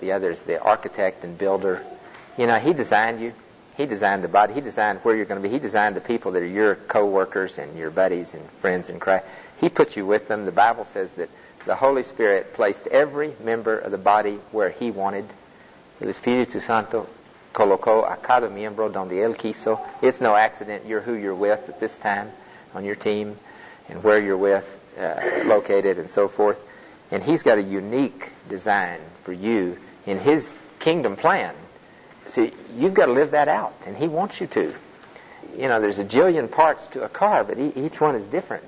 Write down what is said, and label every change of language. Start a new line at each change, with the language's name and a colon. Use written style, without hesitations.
English: The other is the architect and builder. You know, He designed you. He designed the body. He designed where you're going to be. He designed the people that are your co-workers and your buddies and friends in Christ. He put you with them. The Bible says that the Holy Spirit placed every member of the body where He wanted.
Spanish: El Espíritu Santo colocó a cada miembro donde Él quiso.
English: It's no accident you're who you're with at this time on your team and where you're with, located and so forth. And He's got a unique design for you in His kingdom plan. See, you've got to live that out, and He wants you to. You know, there's a jillion parts to a car, but each one is different.